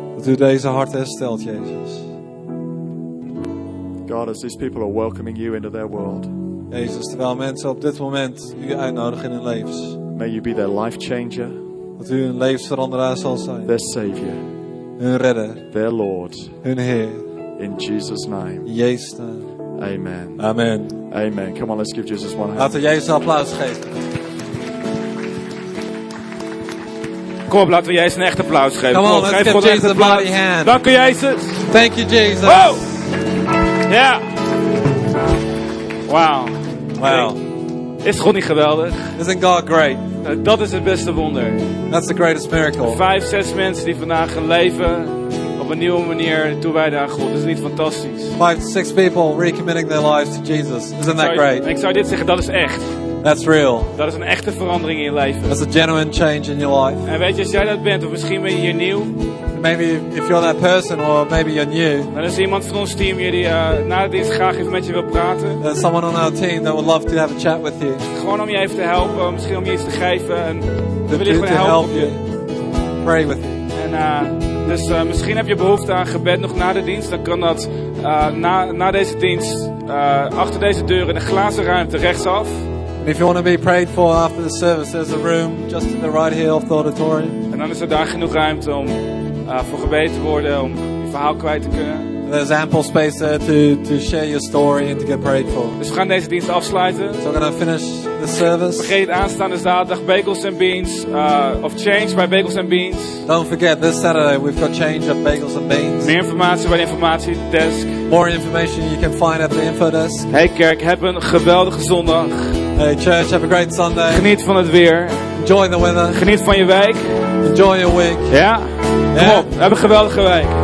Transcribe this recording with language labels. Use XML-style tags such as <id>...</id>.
<nl>Dat u deze hart herstelt, Jezus.</nl> <en>God, as these people are welcoming you into their world.</en> <nl>Jezus, terwijl mensen op dit moment u uitnodigen in hun levens.</nl> <en>May you be their life changer.</en> <nl>Dat u hun levensveranderaar zal zijn.</nl> <en>Their savior.</en> <nl>Hun redder.</nl> <en>Their Lord.</en> <nl>Hun Heer.</nl> <en>In Jesus' name.</en> <nl>In Jezus' naam.</nl> <en>Amen.</en> <nl>Amen.</nl> <en>Amen. Come on, let's give Jesus one hand.</en> <nl>Laten we Jezus een applaus geven. Kom op, laten we Jezus een echt applaus geven.</nl> <en>Come on, let's give Jesus a bloody hand.</en> <nl>Dank u, Jezus.</nl> <en>Thank you, Jesus. Wow. Yeah. Wow. Wow.</en> <nl>Is God niet geweldig?</nl> <en>Isn't God great?</en> <nl>Dat is het beste wonder.</nl> <en>That's the greatest miracle.</en> <nl>5-6 mensen die vandaag leven op een nieuwe manier toewijden aan God. Is niet fantastisch?</nl> <en>5-6 people recommitting their lives to Jesus. Isn't that great?</en> <nl>Ik zou dit zeggen, dat is echt.</nl> <en>That's real.</en> <nl>Dat is een echte verandering in je leven.</nl> <en>That's a genuine change in your life.</en> <nl>En weet je, als jij dat bent, of misschien ben je hier nieuw.</nl> <en>Maybe if you're that person, or maybe you're new.</en> <nl>Dan is iemand van ons team hier die na de dienst graag even met je wil praten.</nl> <en>There's someone on our team that would love to have a chat with you.</en> <nl>Gewoon om je even te helpen, misschien om je iets te geven en wil je gewoon helpen.</nl> <en>Help you. Pray with you.</en> <nl>En misschien heb je behoefte aan gebed nog na de dienst. Dan kan dat na deze dienst achter deze deur in de glazen ruimte rechtsaf.</nl> <en>If you want to be prayed for after the service, there's a room just in the right here of the auditorium.</en> <nl>En dan is er daar genoeg ruimte om voor gebeten te worden, om je verhaal kwijt te kunnen.</nl> <en>And there's ample space there to share your story and to get prayed for.</en> <nl>Dus we gaan deze dienst afsluiten.</nl> <en>So we're gonna finish the service.</en> <nl>Vergeet aanstaande zaterdag Bagels and Beans of Change by Bagels and Beans.</nl> <en>Don't forget this Saturday we've got Change of Bagels and Beans.</en> <nl>Meer informatie bij de informatie desk.</nl> <en>More information you can find at the info desk.</en> <nl>Hey kerk, heb een geweldige zondag.</nl> <en>Hey church, have a great Sunday.</en> <nl>Geniet van het weer.</nl> <en>Enjoy the weather.</en> <nl>Geniet van je week.</nl> <en>Enjoy your week.</en> <nl>Ja. Yeah. Kom op, heb een geweldige week.</nl>